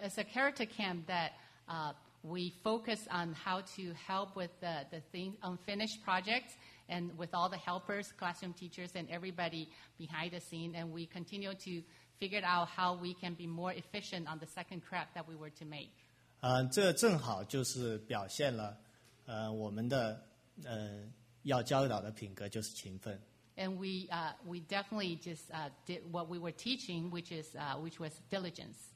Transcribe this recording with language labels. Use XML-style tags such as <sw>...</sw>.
<en>as a character camp that we focus on how to help with the thing unfinished projects and with all the helpers, classroom teachers and everybody behind the scene, and we continue to figure out how we can be more efficient on the second craft that we were to make.</en> <zh>这正好就是表现了我们的 要教导的品格就是勤奋。</zh> <en>And we definitely just did what we were teaching, which was diligence.</en>